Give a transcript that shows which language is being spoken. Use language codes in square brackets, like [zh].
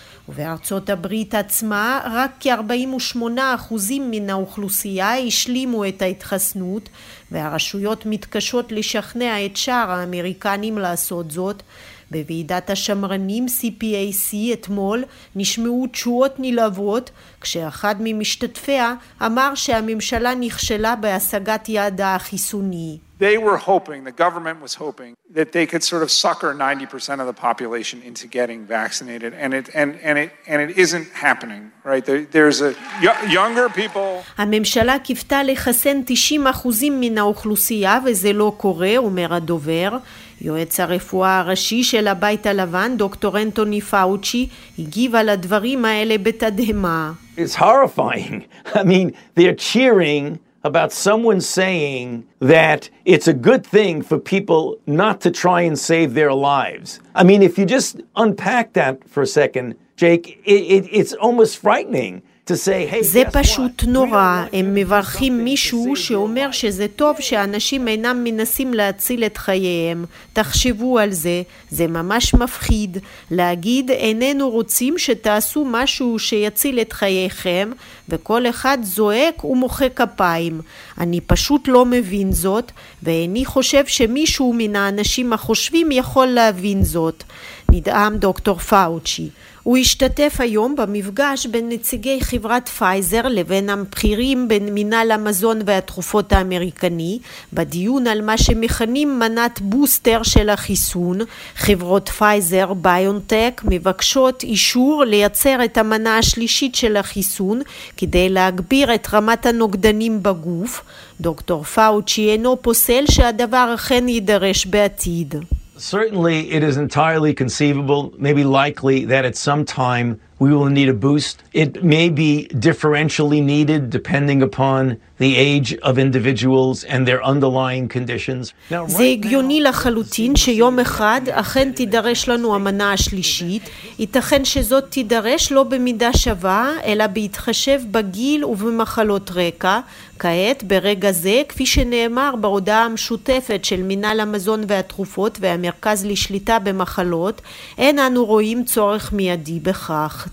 [he] ובארצות הברית עצמה רק כ-48% מן האוכלוסייה השלימו את ההתחסנות, והרשויות מתקשות לשכנע את שאר האמריקנים לעשות זאת. בוועידת השמרנים CPAC אתמול נשמעו תשואות נלוות, כשאחד ממשתתפיה אמר שהממשלה נכשלה בהשגת יעד החיסוני. [en] They were hoping, the government was hoping, that they could sort of sucker 90% of the population into getting vaccinated, and it isn't happening, right? There's a younger people. [he] הממשלה קיפתה לחסן 90% מן האוכלוסייה, וזה לא קורה, אומר הדובר. יועץ הרפואה הראשי של הבית הלבן, דוקטור אנטוני פאוצ'י, הגיב על הדברים האלה בתדהמה. [en] It's horrifying. I mean, they're cheering about someone saying that it's a good thing for people not to try and save their lives. I mean, if you just unpack that for a second, Jake, it's almost frightening to say, hey, [he] זה פשוט נורא. הם מברכים מישהו שאומר שזה טוב שאנשים אינם מנסים להציל את חייהם. תחשבו על זה, זה ממש מפחיד להגיד איננו רוצים שתעשו משהו שיציל את חייכם, וכל אחד זועק ומוחא כפיים. אני פשוט לא מבין זאת, ואני חושב שמישהו מן האנשים החושבים יכול להבין זאת, נדעם דוקטור פאוצ'י. הוא השתתף היום במפגש בין נציגי חברת פייזר לבין הבכירים בין מינהל המזון והתרופות האמריקני, בדיון על מה שמכנים מנת בוסטר של החיסון. חברות פייזר, ביונטק, מבקשות אישור לייצר את המנה השלישית של החיסון כדי להגביר את רמת הנוגדנים בגוף. דוקטור פאוצ'י אינו פוסל שהדבר אכן יידרש בעתיד. [en] Certainly it is entirely conceivable, maybe likely, that at some time we will need a boost. It may be differentially needed depending upon the age of individuals and their underlying conditions. [he] זה הגיוני לחלוטין שיום אחד אכן תידרש לנו המנה השלישית. ייתכן שזאת תידרש לא במידה שווה, אלא בהתחשב בגיל ובמחלות רקע. כעת, ברגע זה, כפי שנאמר בהודעה המשותפת של מינהל המזון והתרופות והמרכז לשליטה במחלות, אין אנו רואים צורך מיידי בכך.